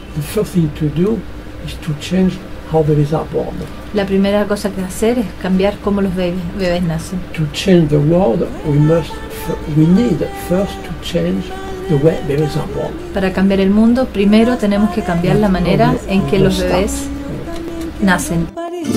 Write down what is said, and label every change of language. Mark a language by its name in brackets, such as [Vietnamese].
[English] The first thing to do is to change how babies are born. [Spanish] La primera cosa que hacer es cambiar cómo los bebés nacen. [English] To change the world, we need first to change the way babies are born. [Spanish] Para cambiar el mundo, primero tenemos que cambiar la manera en que los bebés nacen.